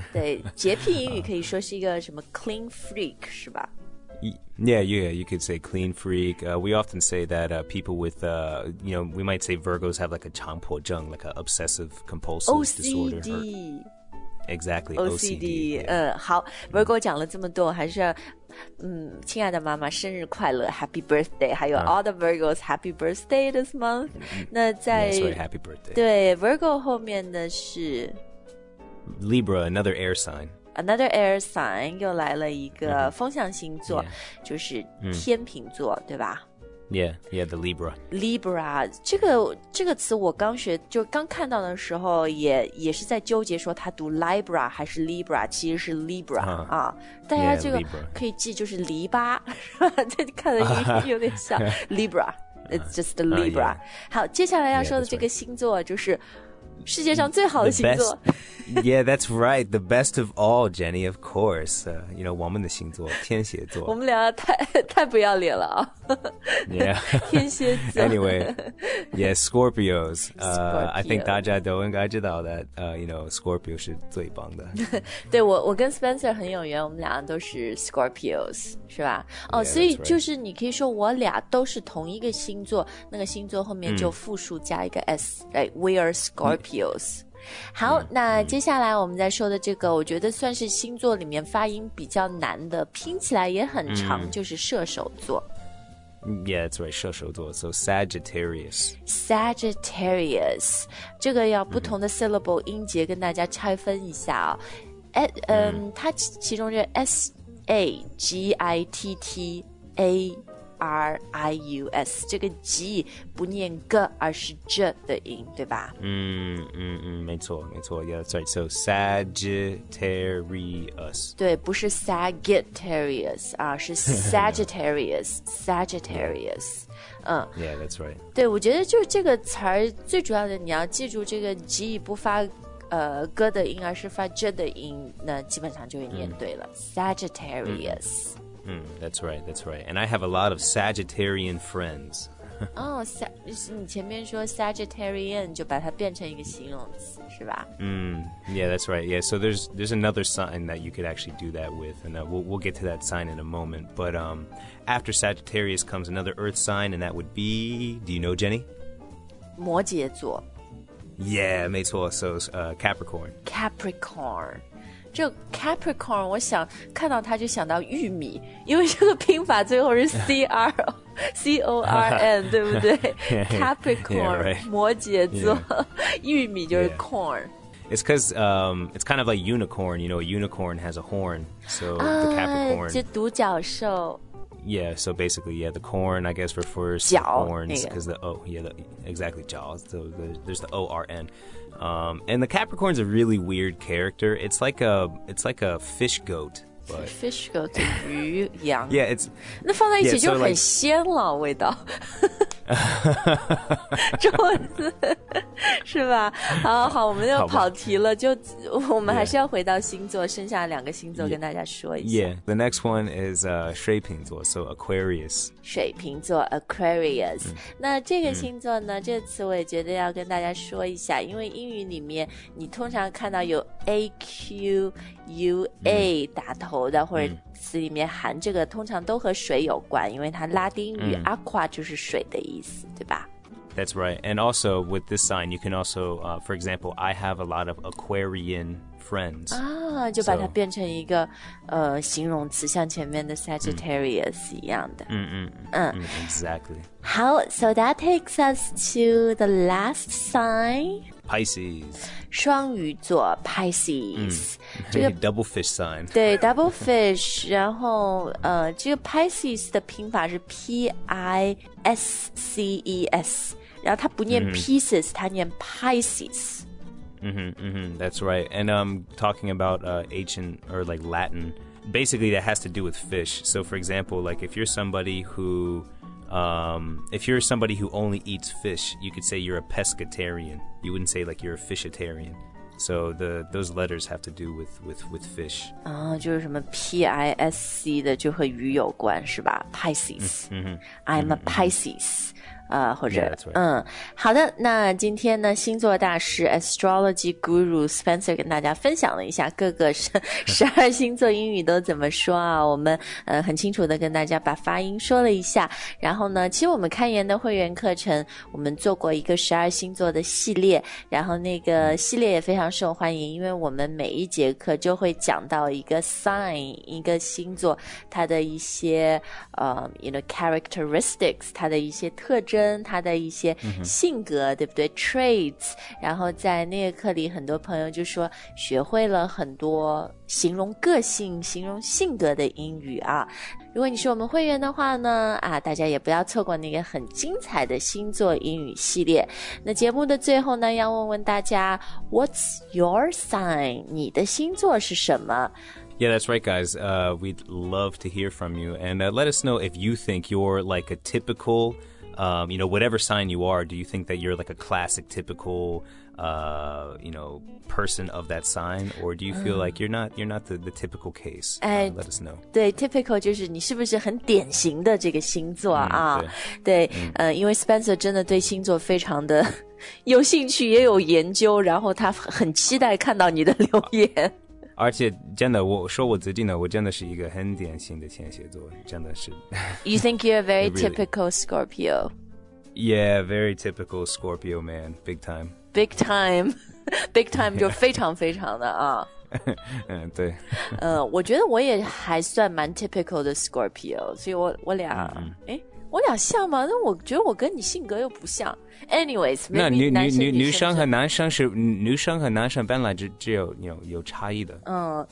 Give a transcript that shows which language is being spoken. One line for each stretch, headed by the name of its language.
Chinese: 对，洁癖英语可以说是一个什么
English: clean freak,
Chinese: 是吧？
English: Yeah, you could say clean freak. We often say that people with, you know, we might say Virgos have like a 强迫症, like an obsessive compulsive OCD. disorder. OCD. Exactly, OCD. Yeah.
Chinese: 好, Virgo 讲了这么多, 还是要, 亲爱的妈妈生日快乐,
English: happy birthday,
Chinese: 还有
English: all the Virgos, happy birthday this month.
Chinese: 那在,
English: yeah, sorry, happy birthday.
Chinese: 对, Virgo 后面的是...
English: Libra, another air sign. Another air sign
Chinese: 又来了一个风象星座、就是天秤座、对吧
English: yeah the Libra
Chinese: Libra 这个词我刚学就刚看到的时候也是在纠结说它读 Libra 还是 Libra 其实是 Libra、大家这个可以记就是篱笆这看的有点像Libra
English: it's just a Libra、
Chinese: 好接下来要说的这个星座就是世界上最好的星座
English: Yeah, that's right. The best of all, Jenny, of course.
Chinese: You know, 我们的星座天蝎座我们俩太不要脸了、
English: Yeah
Chinese: 天蝎座
English: Anyway Yeah, Scorpios I think
Chinese: 大家都应该知道
English: that you know, Scorpio
Chinese: 是最棒的对我跟 Spencer 很有缘我们俩都是 Scorpios 是吧、
English: yeah,
Chinese: 所以就是你可以说我俩都是同一个星座那个星座后面就复数加一个 S、like,
English: We are Scorpios Scorpios
Chinese: 好、那接下来我们再说的这个我觉得算是星座里面发音比较难的拼起来也很长、就是射手座
English: Yeah, that's right, 射手座 So Sagittarius
Chinese: Sagittarius 这个要不同的 syllable 音节跟大家拆分一下、它其中就是 S-A-G-I-T-T-A-R-I-U-S 这个 G 不念 G 而是 J 的音对吧没错
English: Yeah, that's right So Sagittarius
Chinese: 对不是 Sagittarius 是 Sagittarius Sagittarius
English: Yeah, that's right
Chinese: 对我觉得就是这个词儿最主要的你要记住这个 G 不发G 的音而是发 J 的音那基本上就会念对了、Sagittarius
English: That's right. And I have a lot of Sagittarian friends.
Chinese: Oh, 你前面说 Sagittarian 就把它变成一个形容词，是吧？
English: Yeah, that's right. Yeah, so there's another sign that you could actually do that with, and we'll get to that sign in a moment. But after Sagittarius comes another Earth sign, and that would be, do you know, Jenny?
Chinese: 摩羯座。
English: Yeah,
Chinese: 没错。
English: So Capricorn. Capricorn.
Chinese: 这 Capricorn 我想看到它就想到玉米因为这个拼法最后是 C-O-R-N 对不对 Capricorn
English: yeah,、right.
Chinese: 摩羯座、玉米就是 corn、
English: It's because、it's kind of like unicorn you know a unicorn has a horn so、the Capricorn
Chinese: 就独角兽
English: Yeah so basically yeah the corn I guess refers to horns because the O yeah the, exactly jaw so there's the O-R-N and the Capricorn's a really weird character. It's like a fish goat. But... Fish goat, 鱼羊 Yeah, it's...
Chinese: 那放在一起就很鲜了味道。中文字是吧？好，我们又跑题了。就我们还是要回到星座，剩下两个星座跟大家说一下。
English: Yeah, the next one is 水瓶座 so Aquarius.
Chinese: 水瓶座 Aquarius. 那这个星座呢？这个词我也觉得要跟大家说一下，因为英语里面你通常看到有 A Q U A 打头的，或者。词里面含这个通常都和水有关因为它拉丁语、aqua 就是水的意思对吧
English: That's right and also with this sign you can also for example I have a lot of Aquarian friends
Chinese: 就把它变成一个、形容词像前面的 Sagittarius 一样的
English: Exactly 好 so that takes us to the last sign Pisces.
Chinese: 双鱼座 Pisces.、 Mm.
English: 这个、double fish sign.
Chinese: 对 double fish. 然后、这个 Pisces 的拼法是 P-I-S-C-E-S. 然后它不念 pieces,、mm. 它念 Pisces.
English: Mm-hmm, mm-hmm, that's right. And talking about ancient or like Latin, basically that has to do with fish. So for example, like if you're somebody who, if you're somebody who only eats fish, you could say you're a pescatarian. You wouldn't say like you're a fishitarian. So those letters have to do with fish.
Chinese: Oh, 就是什么 P-I-S-C 的就和鱼有关是吧 Pisces.
English: Mm-hmm, I'm a Pisces. 或者 yeah,
Chinese: 嗯，好的，那今天呢，星座大师 Astrology Guru Spencer 跟大家分享了一下各个十二星座英语都怎么说啊，我们很清楚的跟大家把发音说了一下，然后呢，其实我们开言的会员课程，我们做过一个十二星座的系列，然后那个系列也非常受欢迎，因为我们每一节课就会讲到一个 sign 一个星座它的一些you know characteristics 它的一些特征。他的一些性格、mm-hmm. 对不对 traits 然后在那个课里很多朋友就说学会了很多形容个性形容性格的英语啊如果你是我们会员的话呢啊，大家也不要错过那个很精彩的星座英语系列那节目的最后呢要问问大家
English: What's your sign?
Chinese: 你的星座是什么
English: Yeah, that's right, guys. We'd love to hear from you. And let us know if you think you're like a typical, you know, whatever sign you are, do you think that you're like a classic, typical, you know, person of that sign? Or do you feel like you're not the typical case? Let us know.
Chinese: 对 typical 就是你是不是很典型的这个星座啊。对因为 Spencer 真的对星座非常的有兴趣也有研究然后他很期待看到你的留言。而且真的我说我自己呢我真的是一个很典型的天蝎座真的是
English: You think you're a very typical Scorpio Yeah, very typical Scorpio man Big time Big time Big time
Chinese: 就非常非常的啊对我觉得我也还算蛮 typical 的 Scorpio 所以我俩哎、uh-huh. 我俩像吗那我觉得我跟你性格又不像 Anyways 那女生和男生是女生和男生本来只有 有差异的